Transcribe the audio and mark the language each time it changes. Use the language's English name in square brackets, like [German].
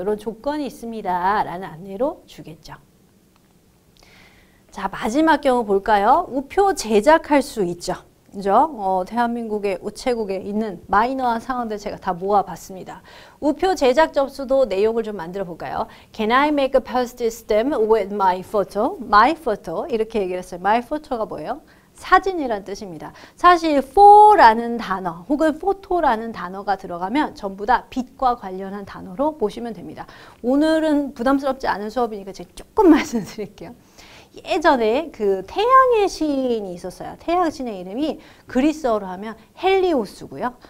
[Korean] 이런 조건이 있습니다. 라는 안내로 주겠죠. 자, 마지막 경우 볼까요? 우표 제작할 수 있죠. 그죠? 대한민국의 우체국에 있는 마이너한 상황들 제가 다 모아봤습니다. 우표 제작 접수도 내용을 좀 만들어 볼까요? [English] Can I make a postage stamp with my photo? My photo. [Korean] 이렇게 얘기를 했어요. My photo가 뭐예요? 사진이란 뜻입니다. 사실 for라는 단어 혹은 photo라는 단어가 들어가면 전부 다 빛과 관련한 단어로 보시면 됩니다. 오늘은 부담스럽지 않은 수업이니까 제가 조금 말씀드릴게요. 예전에 그 태양의 신이 있었어요. 태양신의 이름이 그리스어로 하면 헬리오스고요.